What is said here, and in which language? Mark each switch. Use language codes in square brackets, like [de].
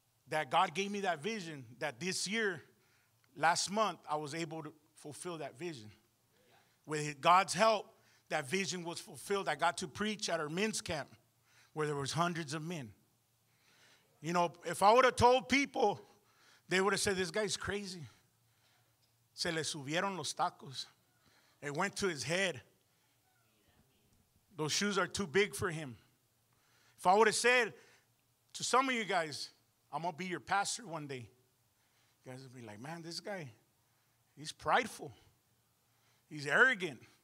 [en] That God gave me that vision that this year, last month, I was able to fulfill that vision. With God's help, that vision was fulfilled. I got to preach at our men's camp where there was hundreds of men. You know, if I would have told people, they would have said, this guy's crazy. [es] Se le subieron los tacos. [en] It went to his head. Those shoes are too big for him. If I would have said to some of you guys, I'm going to be your pastor one day, you guys would be like, man, this guy, he's prideful. He's arrogant.